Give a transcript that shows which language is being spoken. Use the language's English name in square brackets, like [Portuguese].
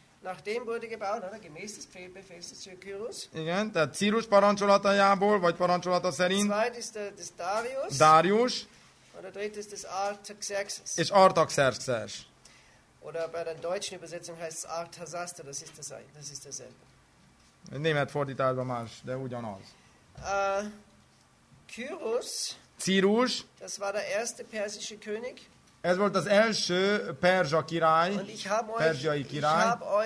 [German] Nachdem wurde gebaut, oder gemäß des Befehls des Kyrus. [Hungarian] Igen, tehát Círus parancsolatajából, vagy parancsolata szerint. [German] Zweit ist des Darius. [Hungarian] Darius. [German] Oder dritt ist des Artaxerxes. [Hungarian] És Artaxerxes. [German] Oder bei der deutschen Übersetzung heißt es Artaxaster, das ist dasselbe. [Hungarian] Ein német fordításban más, de ugyanaz. [German] Kyrus. [Hungarian] Círus. [German] Das war der erste persische König. [Hungarian] Ez volt az első perzsa király, perzsiai király.